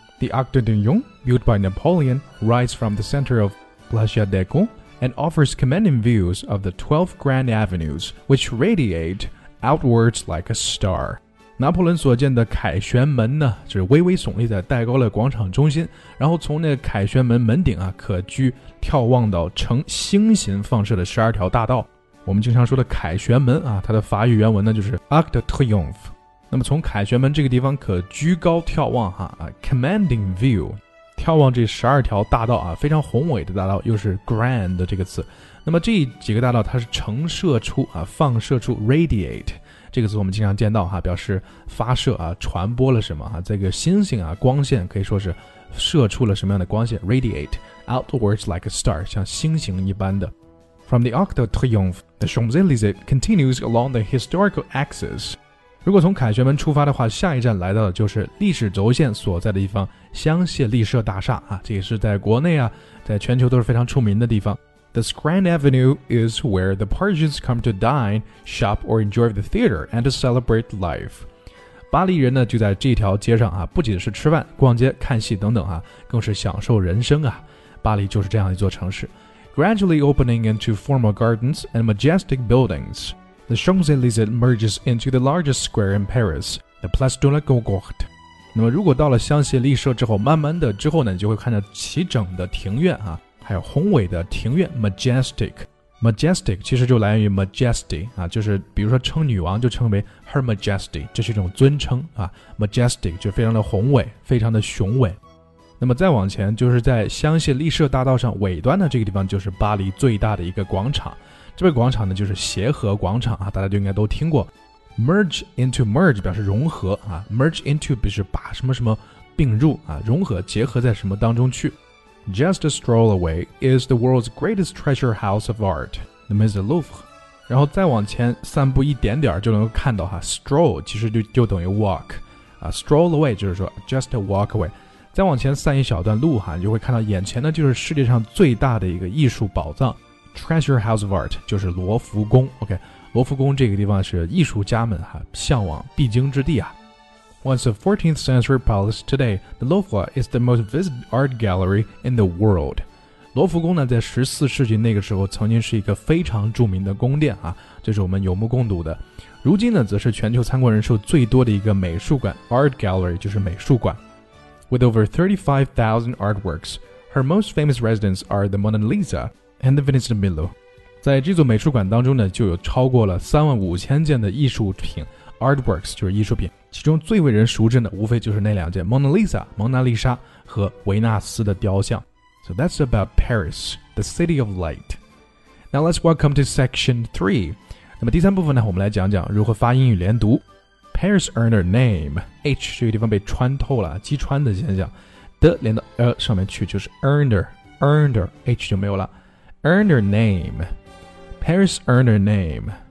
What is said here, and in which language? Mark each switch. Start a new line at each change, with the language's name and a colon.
English: The Arc de Lyon, built by Napoleon, rides from the center of Place Deco and offers commanding views of the 12 grand avenues, which radiate outwards like a star.
Chinese: 拿破仑所建的凯旋门呢，就是巍巍耸立在戴高乐广场中心，然后从那个凯旋门门顶啊，可居眺望到呈星形放射的十二条大道。我们经常说的凯旋门啊，它的法语原文呢就是 Arc de Triomphe。那么从凯旋门这个地方可居高眺望哈啊 ，
English: commanding view，
Chinese: 眺望这十二条大道啊，非常宏伟的大道，又是 grand 的这个词。那么这几个大道它是呈射出啊，放射出 radiate 这个词，我们经常见到哈、啊，表示发射啊，传播了什么哈、啊，这个星星啊，光线可以说是射出了什么样的光线 ，
English: radiate outwards like a star，
Chinese: 像星星一般的。
English: From the Arc de Triomphe, the Champs-Élysées continues along the historical axis.
Chinese: 如果从凯旋门出发的话，下一站来到的就是历史轴线所在的地方——香榭丽舍大厦啊，这也是在国内啊，在全球都是非常出名的地方。
English: The Grand Avenue is where the Parisians come to dine, shop, or enjoy the theater and to celebrate life.
Chinese: 巴黎人呢，就在这条街上啊，不仅是吃饭、逛街、看戏等等啊，更是享受人生啊。巴黎就是这样一座城市。
English: Gradually opening into formal gardens and majestic buildings, the Champs-Élysées merges into the largest square in Paris, the Place de la Concorde.
Chinese: 那么如果到了香榭丽舍之后，慢慢的之后呢，你就会看到齐整的庭院啊，还有宏伟的庭院 majestic. Majestic 其实就来源于 majesty 啊，就是比如说称女王就称为
English: her majesty，
Chinese: 这是一种尊称啊， majestic 就非常的宏伟，非常的雄伟。那么再往前，就是在香榭丽舍大道上尾端的这个地方，就是巴黎最大的一个广场。这个广场呢，就是协和广场啊，大家就应该都听过。
English: Merge into merge
Chinese: 表示融合啊 ，
English: merge into
Chinese: 表示把什么什么并入啊，融合结合在什么当中去。
English: Just a stroll away is the world's greatest treasure house of art, the Musée Louvre。
Chinese: 然后再往前散步一点点就能够看到哈 ，stroll 其实就等于 walk 啊 ，
English: stroll away
Chinese: 就是说
English: just a walk away。
Chinese: 再往前散一小段路哈，你就会看到眼前呢就是世界上最大的一个艺术宝藏 ，
English: Treasure House of Art，
Chinese: 就是罗浮宫。 OK， 罗浮宫这个地方是艺术家们哈向往必经之地啊。
English: Once a 14th century palace, today the Louvre is the most visited art gallery in the world。
Chinese: 罗浮宫呢，在十四世纪那个时候曾经是一个非常著名的宫殿啊，这是我们有目共睹的。如今呢，则是全球参观人数最多的一个美术馆 ，Art Gallery 就是美术馆。
English: With over 35,000 artworks, her most famous residents are the Mona Lisa and the Venice de Milo.
Chinese: 在这座美术馆当中呢，就有超过了35,000件的艺术品 ,artworks 就是艺术品，其中最为人熟知的无非就是那两件 Mona Lisa, 蒙娜丽莎和维纳斯的雕像。
English: So that's about Paris, the city of light. Now let's welcome to section 3.
Chinese: 那么第三部分呢，我们来讲讲如何发英语连读。
English: Paris earned her name.
Chinese: H 这个地方被穿透了，击穿的现象。的连到上面去就是
English: earned her,
Chinese: H 就没有了。
English: Earned her name. Paris earned her name.